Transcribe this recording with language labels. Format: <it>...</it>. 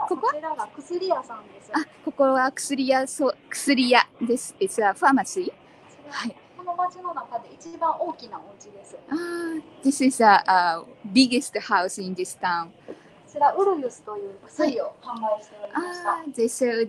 <ja>こちらが薬屋さんです。あ、ここは薬屋です。</ja> <en>It's a pharmacy.</en> <ja>はい。この街の中で一番大きなお家です。</ja> <en>This is a, biggest house in this town.</en> <ja>こちらウルユスという薬を販売しておりました。</ja>